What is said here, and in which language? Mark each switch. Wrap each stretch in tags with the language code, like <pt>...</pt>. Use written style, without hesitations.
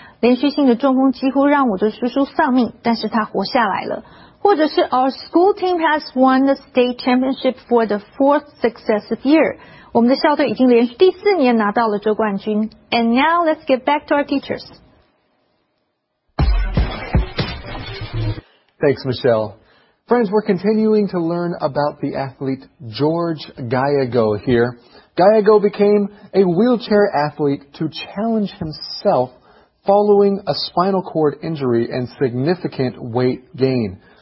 <zh>连续性的中风几乎让我的叔叔丧命，但是他活下来了。或者是</zh> <en>Our school team has won the state championship for the fourth successive year.</en> <zh>我们的校队已经连续第四年拿到了州冠军。</zh> <en>And now let's get back to our teachers. Thanks, Michelle. Friends, we're continuing to learn about the athlete George Gallego here. Gallego became a wheelchair athlete to challenge himself following a spinal cord injury and significant weight gain.</en>